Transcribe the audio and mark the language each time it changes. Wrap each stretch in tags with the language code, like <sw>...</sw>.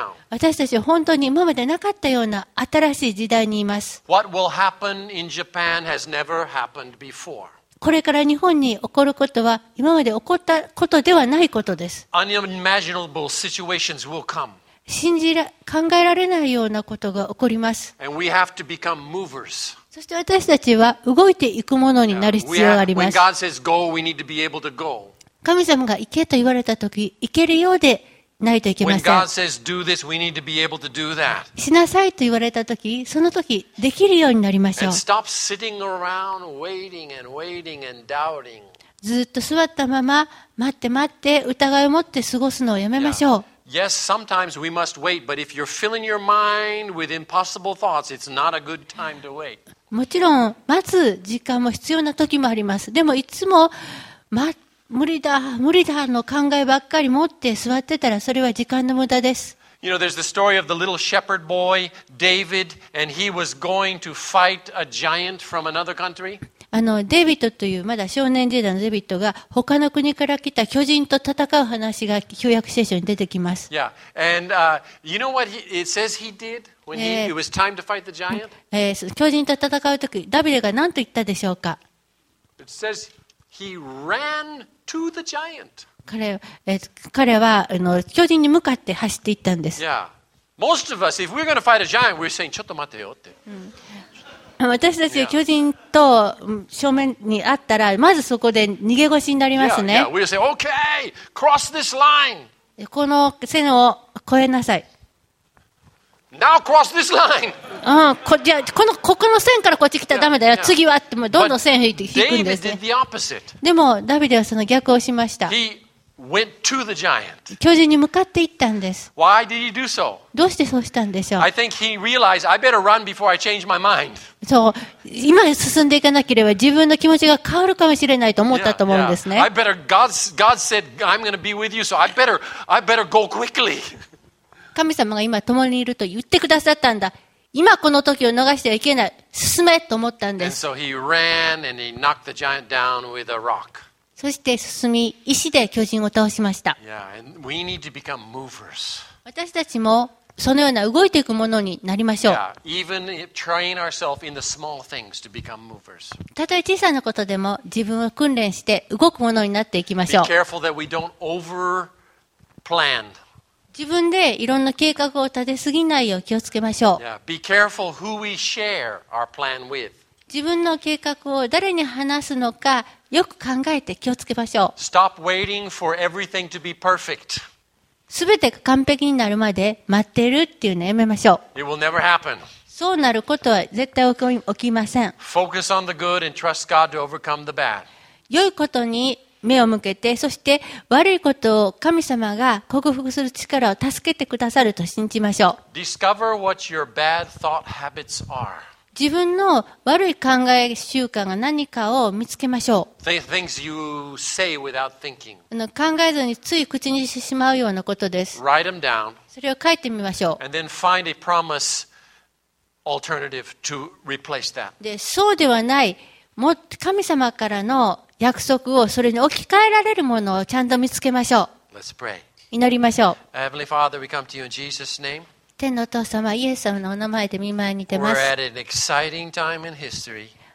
<ja>私たちは本当に今までなかったような新しい時代にいます。</ja> <en>What will happen in Japan has never happened before.</en> <ja>これから日本に起こることは今まで起こったことではないことです。</ja> <en>unimaginable situations will come.</en> <ja>考えられないようなことが起こります。</ja> <en>And we have to become movers.</en> <ja>そして私たちは動いていくものになる必要があります。</ja> <en>When God says go, we need to be able to go.</en> <ja>神様が行けと言われたとき、行けるようでないといけません。</ja> <en>When God says do this, we need to be able to do that.</en> <ja>しなさいと言われたとき、そのときできるようになりましょう。</ja> <en>And stop sitting around waiting and waiting and doubting.</en> <ja>ずっと座ったまま待って待って疑いを持って過ごすのをやめましょう。</ja> <en>Yes, sometimes we must wait, but if you're filling your mind with impossible thoughts, it's not a good time to wait.</en> <ja>もちろん待つ時間も必要なときもあります。でもいつも待って無理だ無理だの考えばっかり持って座ってたら、それは時間の無駄です。</ja> <en>You know, there's the story of the little shepherd boy, David, and he was going to fight a giant from another country.</en> <ja>デビッドというまだ少年時代のデビッドが他の国から来た巨人と戦う話が旧約聖書に出てきます。</ja> <en>Yeah, and you know what it says he did when it was time to fight the giant?</en> <ja>巨人と戦う時、ダビデが何と言ったでしょうか。</ja> <en>It says he ran to the giant.</en> <ja>彼は巨人に向かって走っていったんです。</ja> <en>Yeah. Most of us, if we're going to fight a giant, we're saying,</en> <ja>ちょっと待てよって。私たちが巨人と正面に会ったら、まずそこで逃げ腰になりますね。</ja> <en>Yeah, yeah. We're saying, okay, cross this line.</en> <ja>この線を越えなさい。</ja> <en>Now cross this line.</en> <ja>じゃあここの線からこっち来たらダメだよ。次はってもどんどん線引いて引くんですね。</ja> <en>David did the opposite.</en> <ja>でもダビデはその逆をしました。</ja> <en>He went to the giant.</en> <ja>巨人に向かって行ったんです。</ja> <en>Why did he do so?</en> <ja>どうしてそうしたんでしょう。</ja> <en>I think he realized I better run before I change my mind.</en> <ja>そう、今進んでいかなければ自分の気持ちが変わるかもしれないと思ったと思うんですね。</ja> <en>I better God said I'm going to be with you, so I better go quickly.</en> <ja>神様が今共にいると言ってくださったんだ。今この時を逃してはいけない。進めと思ったんです。</ja> <en>So he ran and he knocked the giant down with a rock.</en> <ja>そして進み、石で巨人を倒しました。</ja> <en>Yeah, and we need to become movers.</en> <ja>私たちもそのような動いていくものになりましょう。</ja> <en>Yeah, even train ourselves in the small things to become movers.</en> <ja>たとえ小さなことでも自分を訓練して動くものになっていきましょう。</ja> <en>Be careful that we don't overplan.</en> <ja>自分でいろんな計画を立てすぎないよう気をつけましょう。</ja> <en>Yeah, be careful who we share our plan with.</en> <ja>自分の計画を誰に話すのかよく考えて気をつけましょう。</ja> <en>Stop waiting for everything to be perfect.</en> <ja>全てが完璧になるまで待ってるっていうのやめましょう。</ja> <en>It will never happen.</en> <ja>そうなることは絶対起きません。</ja> <en>Focus on the good and trust God to overcome the bad.</en> <ja>良いことに目を向けて、そして悪いことを神様が克服する力を助けてくださると信じましょう。</ja> <en>Discover what your bad thought habits are.</en> <ja>自分の悪い考え習慣が何かを見つけましょう。</ja> <en>Things you say without thinking.</en> <ja>考えずについ口にしてしまうようなことです。</ja> <en>Write them down.</en> <ja>それを書いてみましょう。</ja> <en>And then find a promise alternative to replace that.</en> <ja>で、そうではない、もっと神様からの約束をそれに置き換えられるものをちゃんと見つけましょう。</ja> <en>Let's pray.</en> <ja>祈りましょう。</ja> <en>Heavenly Father, we come to you in Jesus' name.</en> <ja>天のお父様、イエス様のお名前で御前に出ます。</ja> <en>We're at an exciting time in history.</en>